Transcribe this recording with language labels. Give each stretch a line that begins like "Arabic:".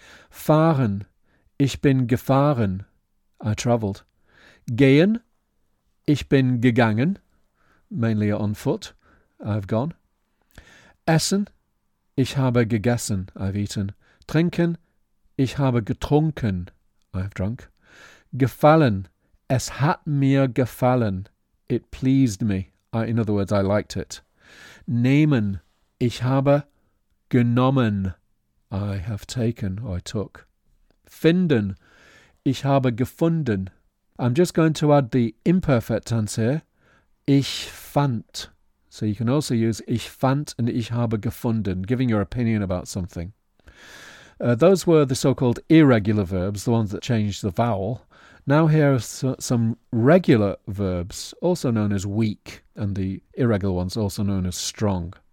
German: Fahren, ich bin gefahren,
English: I travelled.
German: Gehen, ich bin gegangen,
English: mainly on foot, I've gone.
German: Essen, ich habe gegessen,
English: I've eaten.
German: Trinken, ich habe getrunken,
English: I've drunk.
German: Gefallen, es hat mir gefallen,
English: it pleased me, in other words, I liked it.
German: Nehmen, ich habe genommen,
English: I have taken, or I took.
German: Finden, ich habe gefunden.
English: I'm just going to add the imperfect tense here.
German: Ich fand.
English: So you can also use
German: ich fand
English: and
German: ich habe gefunden,
English: giving your opinion about something. Those were the so-called irregular verbs, the ones that change the vowel. Now here are some regular verbs, also known as weak, and the irregular ones, also known as strong.